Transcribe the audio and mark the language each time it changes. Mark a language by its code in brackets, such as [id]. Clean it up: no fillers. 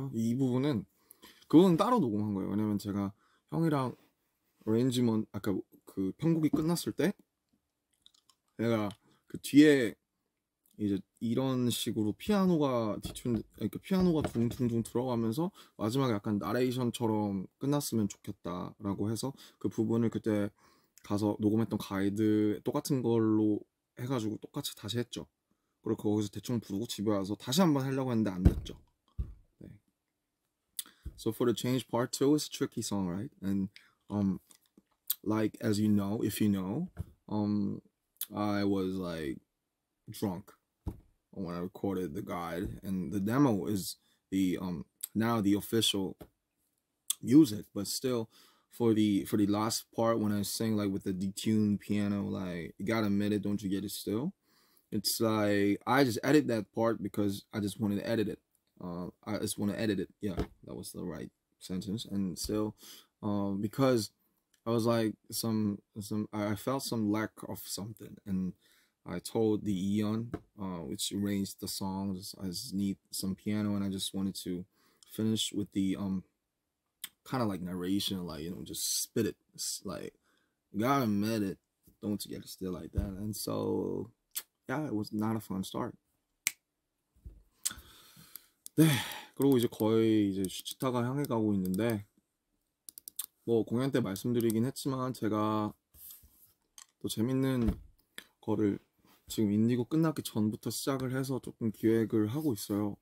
[ko] 이 부분은 그거는 따로 녹음한 거예요. 왜냐면 제가 형이랑 어레인지먼 아까 그 편곡이 끝났을 때 내가 그 뒤에 이제 이런 식으로 피아노가 뒤춘 그러니까 피아노가 둥둥둥 들어가면서 마지막에 약간 나레이션처럼 끝났으면 좋겠다라고 해서 그 부분을 그때 가서 녹음했던 가이드 똑같은 걸로 해가지고 똑같이 다시 했죠. 그리고 거기서 대충 부르고 집에 와서 다시 한번 하려고 했는데 안 됐죠. [en] So for the change part two is a tricky song, right? And like as you know, if you know, I was like drunk when I recorded the guide, and the demo is the now the official music. But still, for the last part when I sing like with the detuned piano, like you gotta admit it, don't you get it still? It's like I just edit that part because I just wanted to edit it. I just want to edit it. Yeah, that was the right sentence. And still, because I was like I felt some lack of something, and I told the Eon, which arranged the songs, I just need some piano, and I just wanted to finish with the kind of like narration, like you know, just spit it, it's like gotta admit it, don't you get it still like that. And so, yeah, it was not a fun start. [ko] 네, 그리고 이제 거의 이제 슈치타가 향해 가고 있는데. 뭐 공연 때 말씀드리긴 했지만 제가 또 재밌는 거를 지금 인디고 끝나기 전부터 시작을 해서 조금 기획을 하고 있어요.